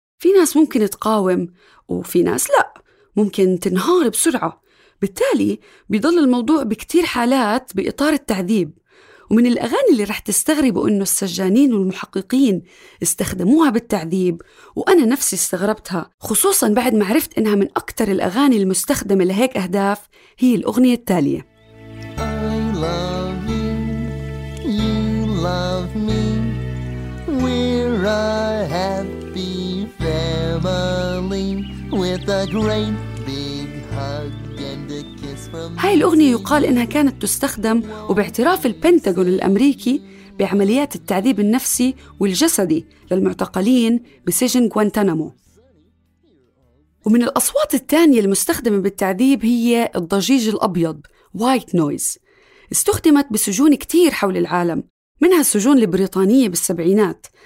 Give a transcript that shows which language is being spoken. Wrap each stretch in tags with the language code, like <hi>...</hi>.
<ar>في ناس ممكن تقاوم وفي ناس لا، ممكن تنهار بسرعة، بالتالي بيضل الموضوع بكتير حالات بإطار التعذيب. ومن الأغاني اللي رح تستغربوا أنه السجانين والمحققين استخدموها بالتعذيب، وأنا نفسي استغربتها خصوصا بعد ما عرفت أنها من أكتر الأغاني المستخدمة لهيك أهداف، هي الأغنية التالية.</ar> <en>I love you, you love me, we're a happy family with a great big hug and a kiss from.</en> <ar>هاي الأغنية يقال إنها كانت تستخدم وباعتراف البنتاغون الأمريكي بعمليات التعذيب النفسي والجسدي للمعتقلين بسجن غوانتانامو. ومن الأصوات الثانية المستخدمة بالتعذيب هي الضجيج الأبيض white noise، استخدمت بسجون كتير حول العالم، منها السجون البريطانية بالسبعينات.</ar>